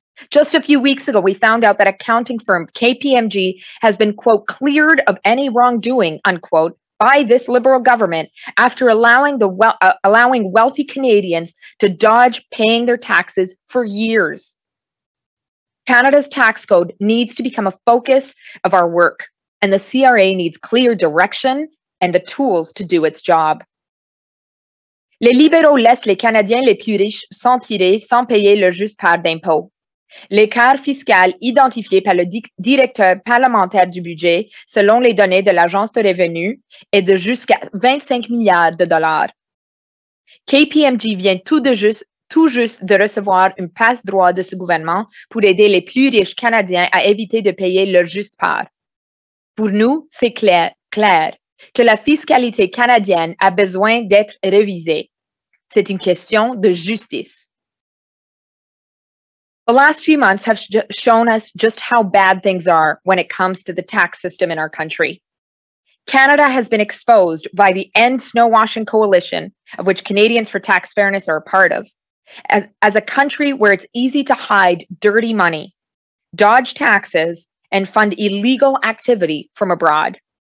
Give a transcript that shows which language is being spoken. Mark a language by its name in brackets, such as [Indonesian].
[English] Just a few weeks ago, we found out that accounting firm KPMG has been, quote, cleared of any wrongdoing, unquote, by this Liberal government after allowing wealthy Canadians to dodge paying their taxes for years. Canada's tax code needs to become a focus of our work, and the CRA needs clear direction and the tools to do its job. [French] Les libéraux laissent les Canadiens les plus riches s'en tirer sans payer leur juste part d'impôt. L'écart fiscal identifié par le directeur parlementaire du budget, selon les données de l'Agence de revenus, est de jusqu'à 25 milliards de dollars. KPMG vient tout juste de recevoir une passe-droit de ce gouvernement pour aider les plus riches Canadiens à éviter de payer leur juste part. Pour nous, c'est clair que la fiscalité canadienne a besoin d'être révisée. C'est une question de justice. [English] The last few months have shown us just how bad things are when it comes to the tax system in our country. Canada has been exposed by the End Snowwashing Coalition, of which Canadians for Tax Fairness are a part of, as a country where it's easy to hide dirty money, dodge taxes, and fund illegal activity from abroad.